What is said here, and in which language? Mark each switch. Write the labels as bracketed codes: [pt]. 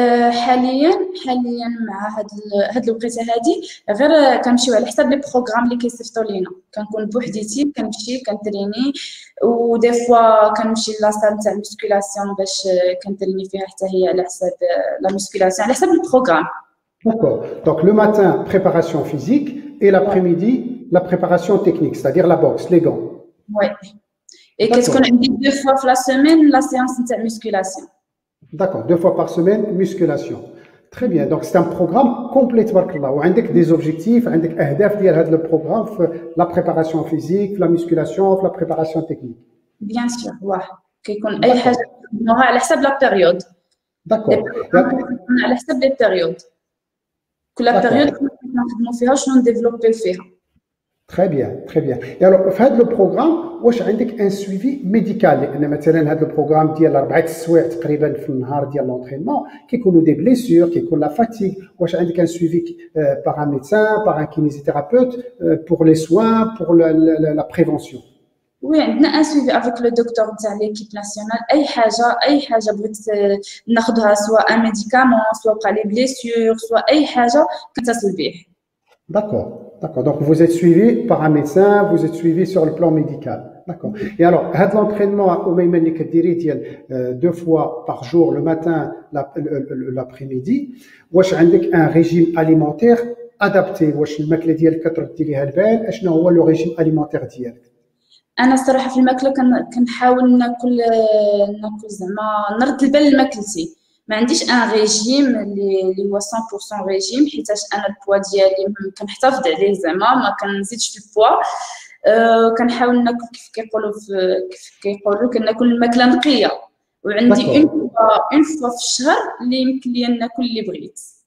[ar] حاليا مع هاد الوقيته هادي غير كنمشيو على حساب لي بروغرام اللي كيصيفطوا لينا, كنكون بوحديتي كنمشي كنتريني, ودي فوا كنمشي لاصال تاع المسكولاسيون باش كنتريني فيها حتى هي على حساب لا مسكولاسيون على حساب البروغرام. [fr] D'accord. Donc le matin, préparation physique, et l'après-midi, la préparation technique, c'est-à-dire la boxe, les gants. Oui. Et d'accord. Qu'est-ce qu'on a dit, 2 fois par semaine, la séance de musculation. D'accord, 2 fois par semaine, musculation. Très bien. Donc c'est un programme complet, barakallah. On a des objectifs, on a des objectifs, le programme, la préparation physique, la musculation, la préparation technique. Bien sûr, oui. Qu'on a à la seule période. D'accord. On a à la seule période. La période que nous avons développé. Très bien, très bien. Et alors, fait le programme, [ar] واش عندك [fr] un suivi médical? [ar] مثلا هذا البروغرام ديال 4 سوايع تقريبا في النهار ديال لونترينمون كيكونوا دي بليسور, كيكون لا فاتيك, واش عندك [fr] un suivi par un médecin, par un kinésithérapeute pour les soins, pour la prévention? Oui, [ar] عندنا [fr] un suivi avec le docteur [ar] تاع [fr] l'équipe nationale. [ar] اي حاجه بغيت ناخذها, سواء ان ميديكامون, سواء بقى لي بليسور, سواء اي حاجه كتصل بيه. [fr] D'accord. Donc vous êtes suivi par un médecin, vous êtes suivi sur le plan médical. D'accord. Et alors, [ar] هذا [fr] l'entraînement au même niveau que diri ديال 2 fois par jour le matin, l'après-midi, [ar] واش عندك [fr] un régime alimentaire adapté? [ar] واش الماكله ديالك كترديليها البال؟ اشنو هو لو [fr] régime alimentaire [ar] ديالك؟ انا الصراحه في الماكله كنحاول ناكل زعما نرد البال لماكلتي, ما عنديش ان ريجيم اللي هو 100% ريجيم, حيت انا البوا ديالي كنحتفظ عليه زعما ما كنزيدش في البوا, كنحاول ناكل كيف كيقولوا كناكل الماكله نقيه, وعندي اون فوا في الشهر اللي يمكن لي ناكل اللي بغيت.